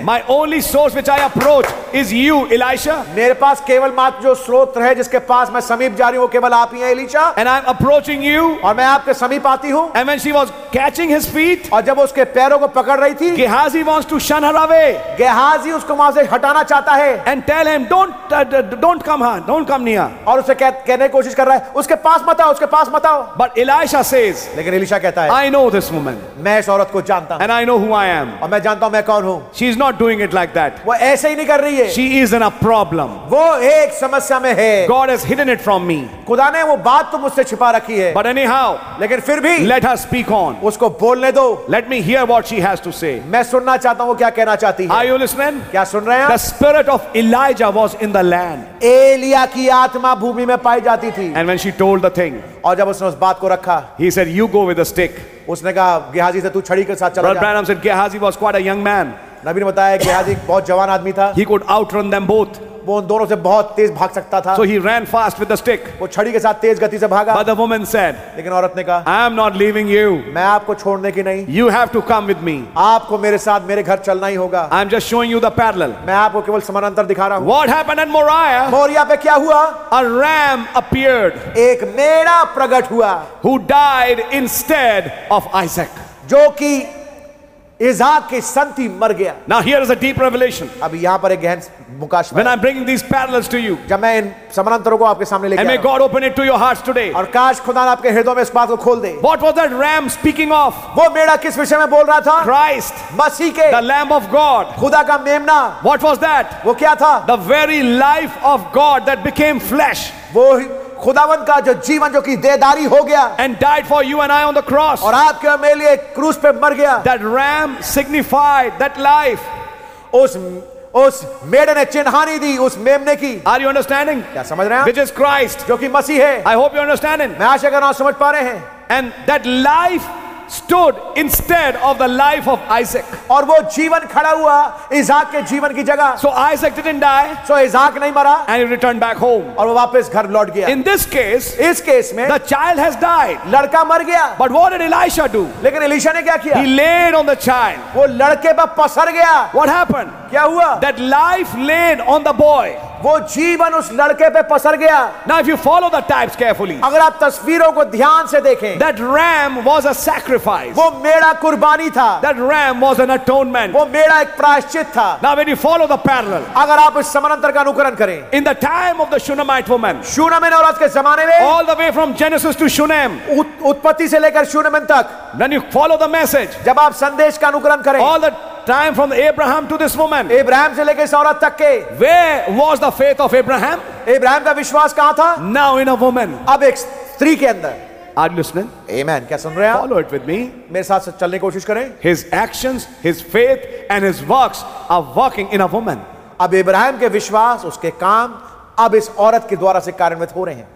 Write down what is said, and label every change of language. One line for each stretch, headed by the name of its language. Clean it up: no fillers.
English: My only source which I approach is you, Elisha.
Hindi: मेरे पास केवल मात्र जो स्रोत है जिसके पास मैं समीप जा रही हूँ केवल आप ही हैं, Elisha.
English: And I'm approaching you.
Hindi: और मैं आपके समीप आती हूँ.
English: And when she was catching his feet.
Hindi: और जब उसके पैरों को पकड़ रही थी,
English: Gehazi wants to shun her away.
Hindi: Gehazi उसको वहां से हटाना चाहता है.
English: And tell him, don't come here, don't come near.
Hindi: और उसे कहने की कोशिश कर रहा है, उसके पास मत आओ, उसके पास मत आओ.
English: But Elisha says,
Hindi: लेकिन Elisha कहता है,
English: I know this woman.
Hindi: मैं इस औरत को जानता हूं.
English: And I know who I am.
Hindi: और मैं जानता हूं मैं कौन हूं.
English: She is not doing it like that.
Hindi: वो ऐसे ही नहीं कर रही है.
English: She is in a problem.
Hindi: वो एक समस्या में है.
English: God has hidden it from me.
Hindi: खुदा ने वो बात तो मुझसे छिपा रखी है.
English: But anyhow,
Hindi: लेकिन फिर भी,
English: let her speak on.
Hindi: उसको बोलने दो.
English: Let me hear what she has to say.
Hindi: मैं सुनना चाहता हूँ क्या कहना चाहती है.
English: Are you listening?
Hindi: क्या सुन रहे हैं?
English: The spirit of Elijah was in the land.
Hindi: Elia की आत्मा भूमि में पाई जाती थी.
English: And when she she told the thing.
Hindi: और जब उसने उस बात को रखा,
English: he said, "You go with a stick."
Hindi: उसने कहा, गेहाजी से तू छड़ी के साथ चला जा।
English: Brother Branham said, "Gehazi was quite a young man."
Hindi: नबी ने बताया, गेहाजी बहुत जवान आदमी था।
English: He could outrun them both.
Hindi: वो उन दोनों से बहुत तेज भाग सकता था।
English: So he ran fast with the stick.
Hindi: वो छड़ी के साथ तेज गति से भागा।
English: But the woman said,
Hindi: लेकिन औरत ने कहा,
English: "I am not leaving you."
Hindi: मैं आपको छोड़ने की नहीं।
English: You have to come with me.
Hindi: आपको मेरे साथ मेरे घर चलना ही होगा।
English: I am just showing you the parallel.
Hindi: मैं आपको केवल समानांतर दिखा रहा हूँ।
English: What happened in Moriah?
Hindi: Moriya पे क्या हुआ?
English: A ram appeared.
Hindi: एक मेड़ा प्रकट हुआ।
English: Who died instead of Isaac?
Hindi: जो कि इज़ाक के संति मर गया।
English: Now here is a deep revelation.
Hindi: अब यहाँ पर एक गहन मुकाशवा।
English: When I'm bringing these parallels to you,
Hindi: जब मैं इन समानांतरों को आपके सामने लेके आया।
English: And may God open it to your hearts today.
Hindi: और काश खुदा आपके हृदयों में इस बात को खोल दे।
English: What was that ram speaking of?
Hindi: वो मेड़ा किस विषय में बोल रहा था?
English: Christ,
Hindi: मसीह के।
English: The Lamb of God,
Hindi: खुदा का मेमना।
English: What was that?
Hindi: वो क्या था?
English: The very life of God that became flesh.
Hindi: वो खुदावंत का जो जीवन जो कि देदारी हो गया
English: and died for you and I on the cross
Hindi: और आपके और मेरे लिए क्रूस पे मर गया
English: that ram signified that life
Hindi: उस मेड़े ने चिन्हानी दी उस मेमने की
English: are you understanding
Hindi: क्या समझ रहे हैं
English: which is Christ
Hindi: जो कि मसीह है
English: I hope you understanding
Hindi: मैं आशा कर रहा हूं समझ पा रहे हैं
English: And that life stood instead of the life of Isaac.
Hindi: और वो जीवन खड़ा हुआ इज़ाक के जीवन की जगह.
English: So Isaac didn't die.
Hindi: So इज़ाक नहीं मरा.
English: And he returned back home.
Hindi: और वो वापस घर लौट गया.
English: In this case,
Hindi: इस केस में,
English: the child has died.
Hindi: लड़का मर गया.
English: But what did Elisha do?
Hindi: लेकिन एलिशा ने क्या किया?
English: He laid on the child.
Hindi: वो लड़के पर पसर गया.
English: What happened?
Hindi: क्या हुआ?
English: That life laid on the boy.
Hindi: वो जीवन उस लड़के पे पसर गया।
English: Now if you follow the types carefully,
Hindi: अगर आप तस्वीरों को ध्यान से देखें,
English: that ram was a sacrifice.
Hindi: वो मेड़ा कुर्बानी था।
English: That ram was an atonement.
Hindi: वो मेड़ा एक प्रायश्चित था।
English: Now when you follow the parallel,
Hindi: अगर आप इस समानांतर का अनुकरण करें,
English: in the time of the Shunammite woman,
Hindi: शूनमिन औरत के जमाने में,
English: all the way from Genesis to Shunem,
Hindi: उत्पत्ति से लेकर शूनमिन तक,
English: when you follow the message,
Hindi: जब आप संदेश का अनुकरण करें,
English: all the time from Abraham to this woman,
Hindi: Abraham से लेकर इस औरत तक के,
English: where was the faith of Abraham?
Hindi: Abraham का विश्वास कहाँ था?
English: Now in a woman.
Hindi: अब एक स्त्री के अंदर.
English: Are you listening?
Hindi: Amen. क्या सुन रहे हैं?
English: Follow it with me.
Hindi: मेरे साथ से चलने की कोशिश करें.
English: His actions, his faith, and his works are working in a woman.
Hindi: अब Abraham के विश्वास, उसके काम, अब इस औरत के द्वारा से कार्यान्वित हो रहे हैं.